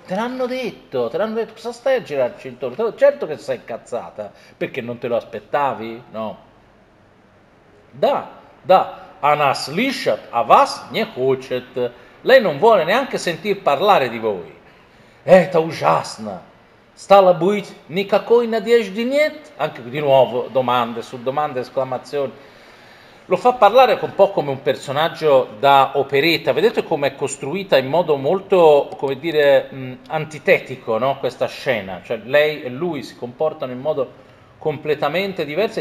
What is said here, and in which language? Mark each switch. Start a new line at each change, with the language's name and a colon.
Italian: Te l'hanno detto, cosa stai a girarci intorno? Certo che sei incazzata, perché non te lo aspettavi? No.
Russian: Da, ana slyšat a vas ne hočet.
Italian: Lei non vuole neanche sentir parlare di voi.
Russian: Это ужасно. Стало быть, никакой надежды нет?
Italian: Anche di nuovo domande su domande, esclamazioni. Lo fa parlare un po' come un personaggio da operetta. Vedete come è costruita in modo molto, come dire, antitetico, no? Questa scena. Cioè, lei e lui si comportano in modo completamente diverso.